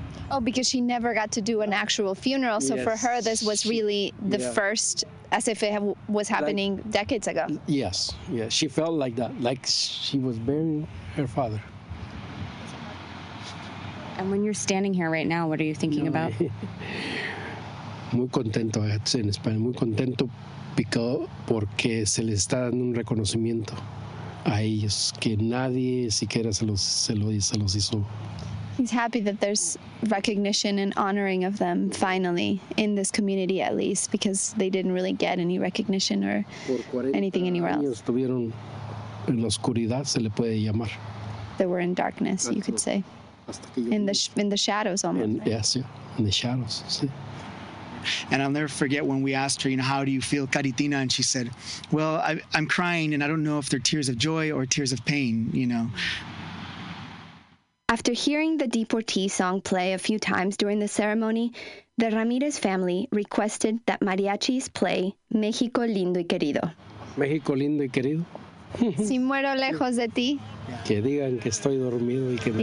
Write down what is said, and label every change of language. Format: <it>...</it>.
<en>Oh, because she never got to do an actual funeral. So yes, for her, this was really the first, as if it was happening like, decades ago. Yes, yes. She felt like that, like she was burying her father. And when you're standing here right now, what are you thinking about?</en> <es>Muy contento,</es> <en>I had to say in Spanish.</en> <es>Muy contento porque se le está dando un reconocimiento a ellos que nadie siquiera se los hizo.</es> <en>He's happy that there's recognition and honoring of them, finally, in this community at least, because they didn't really get any recognition or anything anywhere else.</en> <es>Estuvieron en la oscuridad, se le puede llamar.</es> <en>They were in darkness, you could say. In the shadows, almost. In the shadows, sí. And I'll never forget when we asked her, you know, how do you feel, Caritina? And she said, well, I'm crying, and I don't know if they're tears of joy or tears of pain, you know. After hearing the deportee song play a few times during the ceremony, the Ramirez family requested that mariachis play Mexico Lindo y Querido.</en> <es>Mexico Lindo y Querido. Si muero lejos de ti. Que digan que estoy dormido y que me,</es>